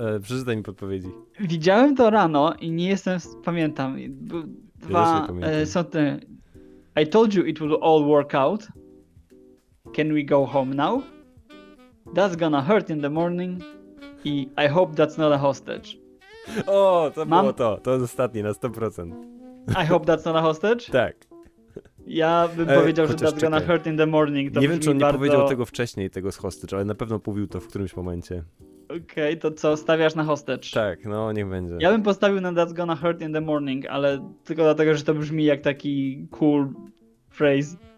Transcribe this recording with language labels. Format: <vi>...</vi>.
<pl>Przeczytaj mi podpowiedzi. Widziałem to rano i nie jestem... Pamiętam. Dwa, są te...</pl> <en>I told you it will all work out. Can we go home now? That's gonna hurt in the morning. I hope that's not a hostage.</en> <pl>O, to było to. To jest ostatni na 100%.</pl> <en>I hope that's not a hostage?</en> <pl>Tak. Ja bym powiedział, że</pl> <en>that's gonna hurt in the morning.</en> <pl>Nie wiem, czy on bardzo... nie powiedział tego wcześniej, tego z hostage, ale na pewno mówił to w którymś momencie. Okej, okay, to co, stawiasz na hostage? Tak, no niech będzie. Ja bym postawił na</pl> <en>that's gonna hurt in the morning,</en> <pl>ale tylko dlatego, że to brzmi jak taki</pl> <en>cool phrase.</en>